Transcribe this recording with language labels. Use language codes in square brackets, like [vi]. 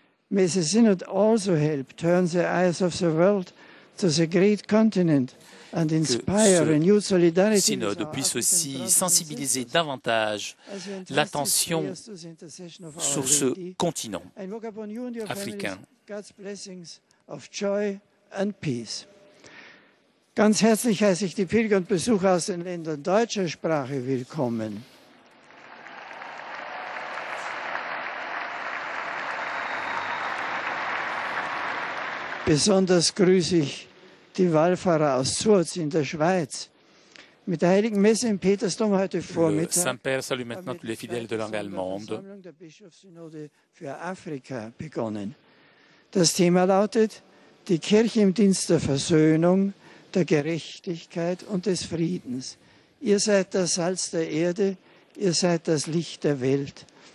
[en] May the synod also help turn the eyes of the world to the great continent and inspire a new solidarity. [fr] Que ce synode puisse aussi sensibiliser davantage l'attention sur ce continent africain. [en] God's blessings of joy and peace. [de] Ganz herzlich heiße ich die Pilger und Besucher aus den Ländern deutscher Sprache willkommen. Besonders grüße ich die Wallfahrer aus Zurz in der Schweiz. Mit der heiligen Messe in Petersdom heute Vormittag. [fr] Le Saint-Père salue maintenant tous les fidèles de langue allemande. [de] Der Bischofssynode für Afrika begonnen. Das Thema lautet: Die Kirche im Dienst der Versöhnung, der Gerechtigkeit und des Friedens. Ihr seid das Salz der Erde, ihr seid das Licht der Welt.